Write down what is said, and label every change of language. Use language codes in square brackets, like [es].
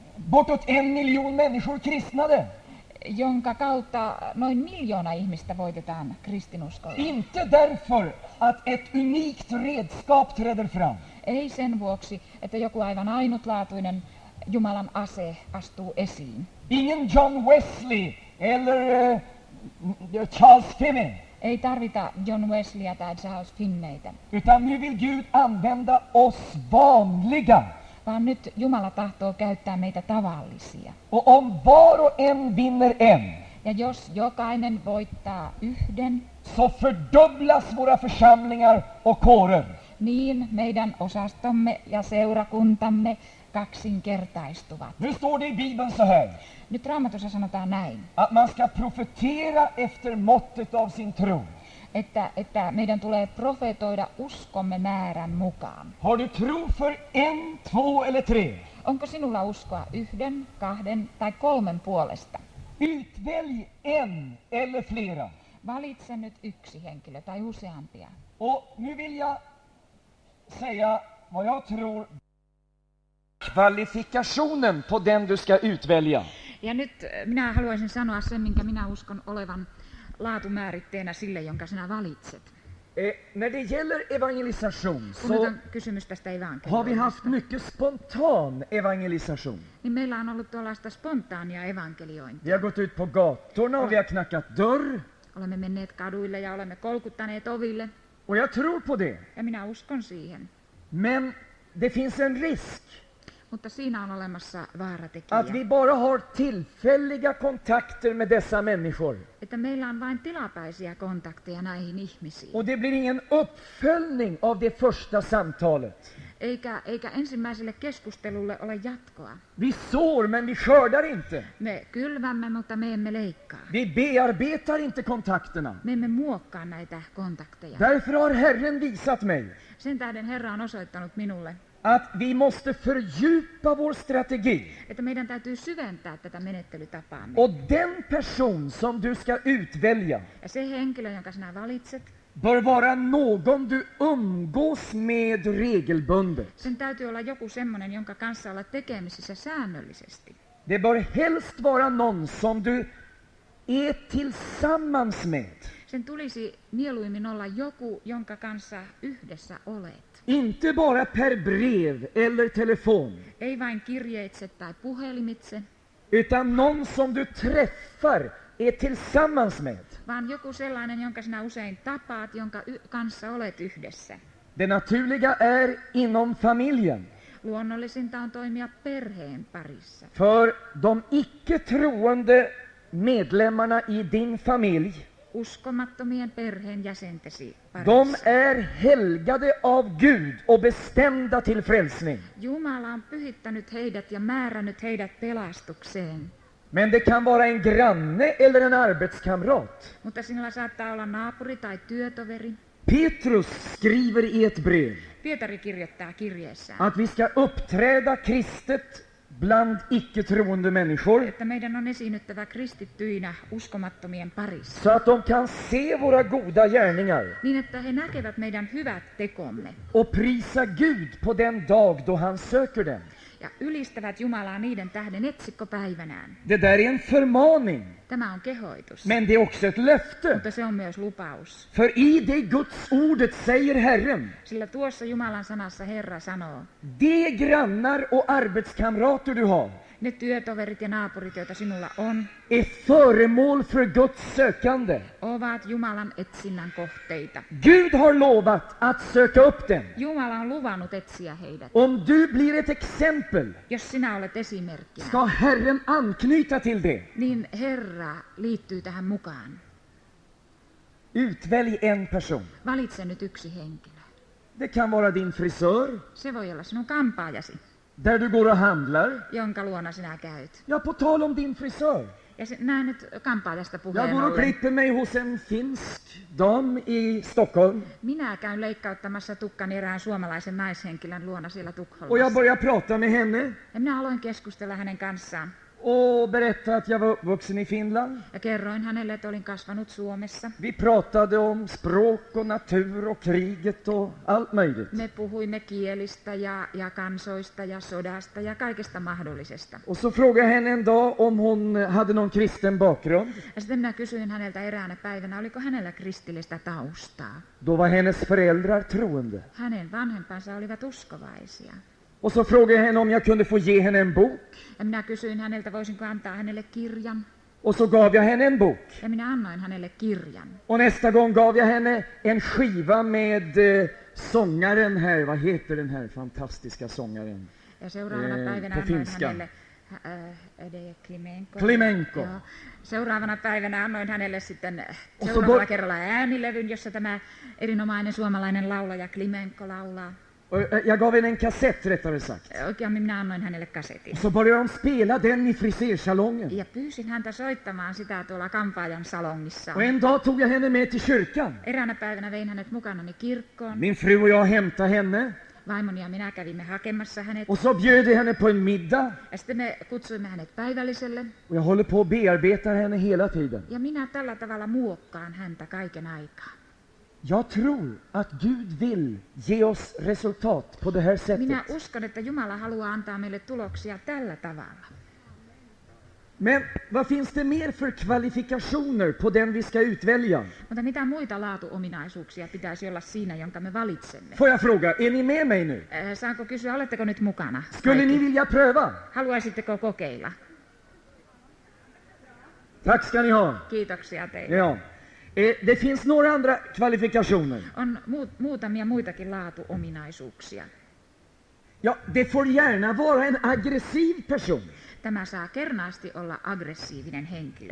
[sv] Bortåt 1 miljon människor kristnade. [fi] Jonka kautta noin 1 miljoona ihmistä voitetaan kristinuskolla. [sv] Inte därför att ett unikt redskap träder fram. [fi] Ei sen vuoksi, että joku aivan ainutlaatuinen Jumalan ase astuu esiin. [sv] Ingen John Wesley eller Charles Finney. [fi] Ei tarvita John Wesleyä tai Charles Finneyitä. [sv] Utan nu vill Gud använda oss vanliga. [fi] Vaan nyt Jumala tahtoo käyttää meitä tavallisia. [sv] Och om var och en vinner en. [fi] Ja jos jokainen voittaa 1, [sv] så fördubblas våra församlingar och kårer. [fi] Niin meidän osastomme ja seurakuntamme 2-kertaistuvat. [sv] Nu står det i Bibeln så här. [fi] Nyt Raamatussa sanotaan näin. [sv] Att man ska profetera efter måttet av sin tro. [fi] Että meidän tulee profetoida uskomme määrän mukaan. [sv] Har du tro för 1, 2 eller 3? [fi] Onko sinulla uskoa 1, 2 tai 3 puolesta? [sv] Utvälj en eller flera. [fi] Valitse nyt 1 henkilö tai useampia. [sv] Och nu vill jag säga vad jag tror kvalifikationen på den du ska utvälja. [fi] Ja nyt minä haluaisin sanoa sen, minkä minä uskon olevan laatumääritteenä sille, jonka sinä valitset. [sv] När det gäller evangelisation [fi] så kysymys tästä evankeliumista. [sv] Har vi haft mycket spontan evangelisation? [fi] Niin meillä on ollut tuollaista spontaania evankeliointia. [sv] Vi har gått ut på gatorna och vi har knackat dörr. [fi] Olemme menneet kaduille ja olemme kolkuttaneet oville. [sv] Och jag tror på det. [fi] Ja minä uskon siihen. [sv] Men det finns en risk. [fi] Mutta siinä on olemassa vaaratekijä. [sv] Att vi bara har tillfälliga kontakter med dessa människor. [fi] Että meillä on vain tilapäisiä kontakteja näihin ihmisiin. [sv] Och det blir ingen uppföljning av det första samtalet. [fi] Eikä ensimmäiselle keskustelulle ole jatkoa. [sv] Vi sår, men vi skördar inte. [fi] Me kylvämme, mutta me emme leikkaa. [sv] Vi bearbetar inte kontakterna. [fi] Me emme muokkaa näitä kontakteja. [sv] Därför har Herren visat mig. [fi] Sen tähden Herra on osoittanut minulle. [sv] Att vi måste fördjupa vår strategi. [fi] Että meidän täytyy syventää tätä menettelytapaamme. [sv] Och den person som du ska utvälja. [fi] Ja se henkilö, jonka sinä valitset. [sv] Bör vara någon du umgås med regelbundet. [fi] Sen täytyy olla joku semmonen, jonka kanssa olla tekemisissä säännöllisesti. [sv] Det bör helst vara någon som du är tillsammans med. [fi] Sen tulisi mieluimmin olla joku, jonka kanssa yhdessä olet. [sv] Inte bara per brev eller telefon. [fi] Ei vain kirjeitse tai puhelimitse. [sv] Utan någon som du träffar är tillsammans med. [fi] Vaan joku sellainen, jonka sinä usein tapaat, jonka kanssa olet yhdessä. [sv] Det naturliga är inom familjen. [fi] Luonnollisinta on toimia perheen parissa. [sv] För de icke-troende medlemmarna i din familj. [fi] Uskomattomien perheenjäsentesi parissa. [sv] De är helgade av Gud och bestämda till frälsning. [fi] Jumala on pyhittänyt heidät ja määrännyt heidät pelastukseen. [sv] Men det kan vara en granne eller en arbetskamrat. [fi] Mutta sinulla saattaa olla naapuri tai työtoveri. [sv] Petrus skriver i ett brev. [fi] Pietari kirjoittaa kirjeessään. [sv] Att vi ska uppträda kristet. Bland icke-troende människor. [fi] Että meidän on esiinnyttävä kristittyinä uskomattomien parissa. [sv] Så att de kan se våra goda gärningar. [fi] Niin että he näkevät meidän hyvät tekomme. [sv] Och prisa Gud på den dag då han söker dem. [fi] Ja ylistävät Jumalaa niiden tähden etsikkopäivänään. [sv] Det där är en förmaning. [fi] Tämä on kehoitus. [sv] Men det är också ett löfte. [fi] Mutta se on myös lupaus. [sv] För i det Guds ordet säger Herren. [fi] Sillä tuossa Jumalan sanassa Herra sanoo. [sv] De grannar och arbetskamrater du har. [fi] Ne työtoverit ja naapurit, joita sinulla on. [sv] Är föremål för Guds sökande. [fi] Ovat Jumalan etsinnän kohteita. [sv] Gud har lovat att söka upp dem. [fi] Jumala on luvannut etsiä heidät. [sv] Om du blir ett exempel. [fi] Jos sinä olet esimerkkinä. [sv] Ska Herren anknyta till det. [fi] Niin Herra liittyy tähän mukaan. [sv] Utvälj en person. [fi] Valitse nyt yksi henkilö. [sv] Det kan vara din frisör. [fi] Se voi olla sinun kampaajasi. [sv] Där du går och handlar. [fi] Jonka luona sinä käyt. [sv] Ja på tal om din frisör. [fi] Ja se, näin nyt kampaajasta puheen ollen. [sv] Jag går och klipper mig hos en finsk dam i Stockholm. [fi] Minä käyn leikkauttamassa tukkani erään suomalaisen naishenkilön luona siellä Tukholmassa. [sv] Och jag börjar prata med henne. [fi] Ja minä aloin keskustella hänen kanssaan. [sv] Och berätta att jag var uppvuxen i Finland. [fi] Ja kerroin hänelle, että olin kasvanut Suomessa. [sv] Vi pratade om språk och natur och kriget och allt möjligt. [fi] Me puhuimme kielistä ja kansoista ja sodasta ja kaikesta mahdollisesta. [sv] Och så frågade jag henne en dag om hon hade någon kristen bakgrund. [fi] Ja sitten minä kysyin häneltä eräänä päivänä, oliko hänellä kristillistä taustaa. [sv] Då var hennes föräldrar troende. [fi] Hänen vanhempansa olivat uskovaisia. [sv] Och så frågade jag henne om jag kunde få ge henne en bok. [fi] Ja minä kysyin häneltä, voisinko antaa hänelle kirjan. [sv] Och så gav jag henne en bok. [fi] Ja minä annoin hänelle kirjan. [sv] Och nästa gång gav jag henne en skiva med sångaren här. Vad heter den här fantastiska sångaren? [fi] Ja seuraavana päivänä [sv] på finska. [fi] Annoin hänelle [sv] det är [fi] Klimenko. Klimenko. Seuraavana päivänä annoin hänelle sitten seuraavalla kerralla äänilevyn, jossa tämä erinomainen suomalainen laulaja Klimenko laulaa. [sv] Jag gav henne en kassett, rättare sagt. [fi] Okej, [sv] men jag [fi] annoin hänelle kassetin. [sv] Så började hon spela den i frisersalongen. [fi] Ja pyysin häntä soittamaan sitä tuolla kampaajan salongissa. [sv] Och en dag tog jag henne med till kyrkan. [fi] Eräänä päivänä vein hänet mukanani kirkkoon. [sv] Min fru och jag hämtade henne. [fi] Vaimoni ja minä kävimme hakemassa hänet. [sv] Och så bjöd vi henne på en middag. [fi] Ja sitten me kutsuimme hänet päivälliselle. [sv] Och jag håller på att bearbeta henne hela tiden. [fi] Ja minä tällä tavalla muokkaan häntä kaiken aikaa. [sv] Jag tror att Gud vill ge oss resultat på det här sättet. [fi] Minä uskon, että Jumala haluaa antaa meille tuloksia tällä tavalla. [sv] Men vad finns det mer för kvalifikationer på den vi ska utvälja? [fi] Mutta mitä muita laatuominaisuuksia pitäisi olla siinä, jonka me valitsemme? [sv] Får jag fråga, är ni med mig nu? [fi] Saanko kysyä, oletteko nyt mukana? [sv] Skulle ni vilja pröva? [fi] Haluaisitteko kokeilla? [sv] Tack ska ni ha. [fi] Kiitoksia teille. [sv] Ja. Det finns några andra kvalifikationer. [fi] On muutamia muitakin laatuominaisuuksia. [sv] Ja, det får gärna vara en aggressiv person. [fi] Tämä saa kernaasti olla aggressiivinen henkilö.